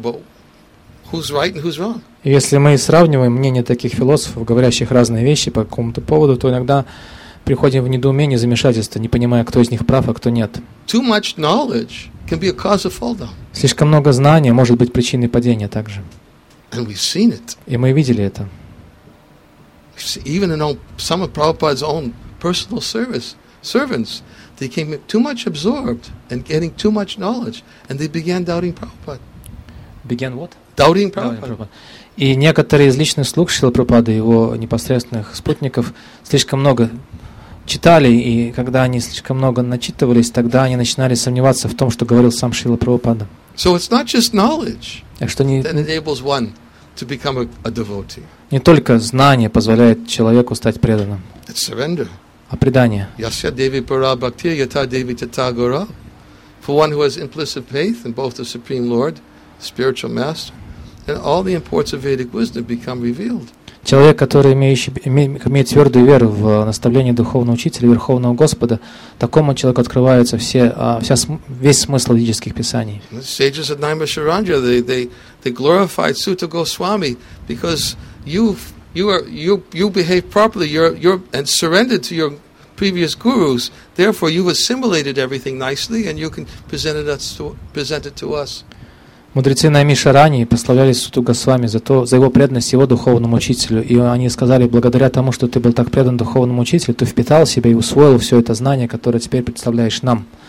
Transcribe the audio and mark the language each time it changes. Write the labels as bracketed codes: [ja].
[en] But who's right and who's wrong? [ru] Если мы сравниваем мнения таких философов, говорящих разные вещи по какому-то поводу, то иногда приходим в недоумение, замешательство, не понимая, кто из них прав, а кто нет. [en] Too much knowledge can be a cause of fall down. [ru] Слишком много знания может быть причиной падения также. [en] And we've seen it. [ru] И мы видели это. [en] Even in some of Prabhupada's own personal servants, they became too much absorbed and getting too much knowledge, and they began doubting Prabhupada. Began what? Doubting Prabhupada. [ru] И некоторые из личных слуг Шрилы Прабхупады, его непосредственных спутников, слишком много читали, и когда они слишком много начитывались, тогда они начинали сомневаться в том, что говорил сам Шрила Прабхупада. [en] So it's not just knowledge that enables one to become a devotee. [ru] Не только знание позволяет человеку стать преданным. [en] It's surrender. [ru] А предание. [sa] Yasya devi para bhakti yata devi tata gura. [en] For one who has implicit faith in both the Supreme Lord, spiritual master, and all the imports of Vedic wisdom become revealed. [ru] Человек, который имеет твердую веру в наставление духовного учителя, верховного Господа, такому человеку открывается весь смысл ведических писаний. [en] The sages at Naimisharanya, they glorified Suta Goswami because you behave properly, and surrendered to your previous gurus. Therefore, you've assimilated everything nicely, and you can present it to us. [ru] Мудрецы Наймишарани прославляли Суту Госвами за его преданность его духовному учителю. И они сказали, благодаря тому, что ты был так предан духовному учителю, ты впитал в себя и усвоил все это знание, которое теперь представляешь нам.